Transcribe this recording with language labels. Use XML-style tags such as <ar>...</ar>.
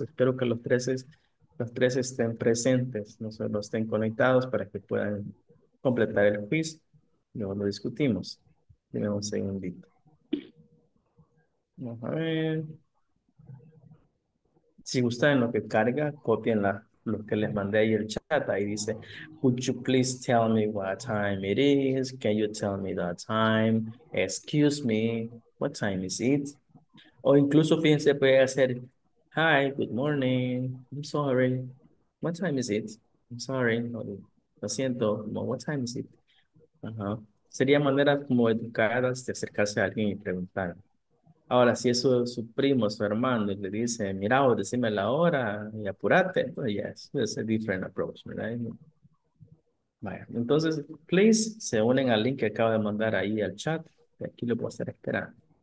<es>Espero que los 13 estén presentes, no solo estén conectados para que puedan completar el quiz. Luego lo discutimos. Dime un segundito. Vamos a ver. Si gustan lo que carga, copien lo que les mandé ahí el chat. Ahí dice,</es> <en>could you please tell me what time it is? Can you tell me the time? Excuse me, what time is it?</en> <es>O incluso, fíjense, puede hacer,</es> <en>hi, good morning, I'm sorry, what time is it? I'm sorry,</en> <es>lo siento, no,</es> <en>what time is it?</en> <es>Sería maneras como educadas de acercarse a alguien y preguntar. Ahora, si eso es su primo, su hermano, y le dice, mira, o decime la hora y apúrate, entonces ya es</es> <en>a different approach,</en> <es>¿verdad? Vaya, entonces,</es> <en>please,</en> <es>se unen al link que acabo de mandar ahí al chat, y aquí lo voy a estar esperando.</es>